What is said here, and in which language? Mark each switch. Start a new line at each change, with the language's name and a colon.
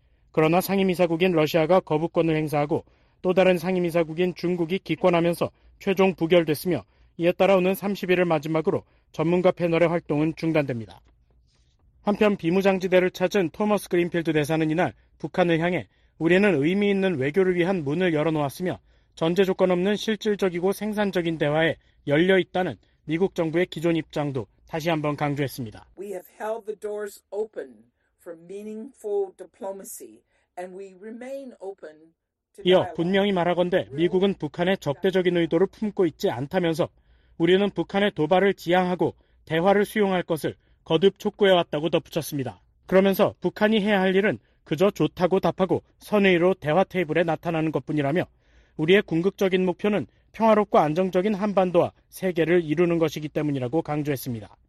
Korean: 그러나 상임이사국인 러시아가 거부권을 행사하고 또 다른 상임이사국인 중국이 기권하면서 최종 부결됐으며 이에 따라 오는 30일을 마지막으로 전문가 패널의 활동은 중단됩니다. 한편 비무장지대를 찾은 토머스 그린필드 대사는 이날 북한을 향해 우리는 의미 있는 외교를 위한 문을 열어놓았으며 전제 조건 없는 실질적이고 생산적인 대화에 열려있다는 미국 정부의 기존 입장도 다시 한번 강조했습니다.
English: We have held the doors open for meaningful diplomacy and we remain open to
Korean: 이어 분명히 말하건대 미국은 북한의 적대적인 의도를 품고 있지 않다면서 우리는 북한의 도발을 지양하고 대화를 수용할 것을 거듭 촉구해 왔다고 덧붙였습니다. 그러면서 북한이 해야 할 일은 그저 좋다고 답하고 선의로 대화 테이블에 나타나는 것뿐이라며 우리의 궁극적인 목표는 평화롭고 안정적인 한반도와 세계를 이루는 것이기 때문이라고 강조했습니다.